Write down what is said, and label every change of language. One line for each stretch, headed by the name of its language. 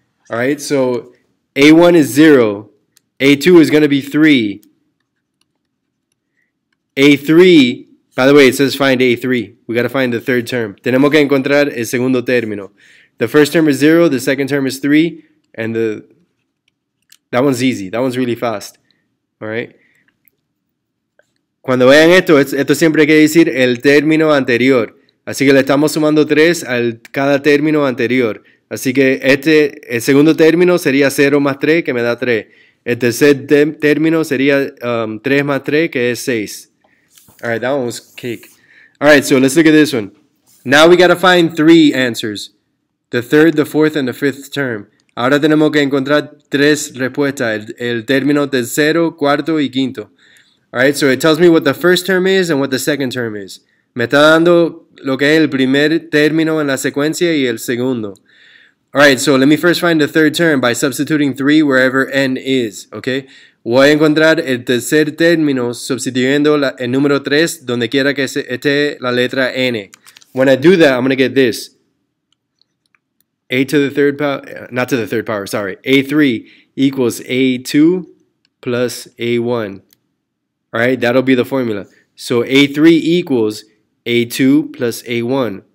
English: All right, so a1 is 0. a2 is going to be 3. A3, by the way, it says find A3. We got to find the third term.
Spanish: Tenemos que encontrar el segundo término.
English: The first term is 0, the second term is 3, and that one's easy. That one's really fast. All right?
Spanish: Cuando vean esto, esto siempre quiere decir el término anterior. Así que le estamos sumando 3 al cada término anterior. Así que el segundo término sería 0 más 3, que me da 3. El tercer término sería 3 más 3, que es 6.
English: All right, that one was cake. All right, so let's look at this one. Now we got to find 3 answers. The third, the fourth, and the fifth term.
Spanish: Ahora tenemos que encontrar 3 respuestas. El término tercero, cuarto, y quinto.
English: All right, so it tells me what the first term is and what the second term is.
Spanish: Me está dando lo que es el primer término en la secuencia y el segundo. All
English: All right, so let me first find the third term by substituting 3 wherever n is, okay?
Spanish: Voy a encontrar el tercer término sustituyendo el número 3 donde quiera que esté la letra n.
English: When I do that, I'm going to get this. A3 equals A2 plus A1. All right, that'll be the formula. So A3 equals A2 plus A1.